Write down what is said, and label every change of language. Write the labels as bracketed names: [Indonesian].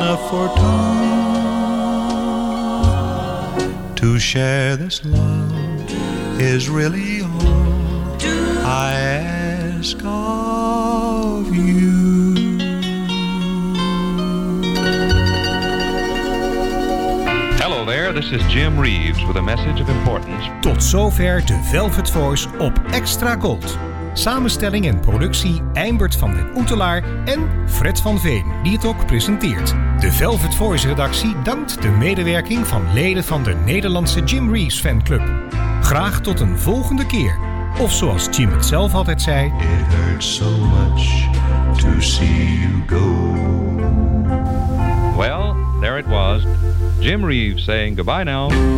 [English] for two to share this love is really all I ask of you. Hello there, this is Jim Reeves with a message of importance. [Dutch] Tot zover de Velvet Voice op Extra Gold. Samenstelling en productie Eimbert van den Oetelaar en Fred van Veen, die het ook presenteert. De Velvet Voice redactie dankt de medewerking van leden van de Nederlandse Jim Reeves fanclub. Graag tot een volgende keer. Of zoals Jim het zelf altijd zei... [English] It hurts so much to see you go. Well, there it was. Jim Reeves saying goodbye now.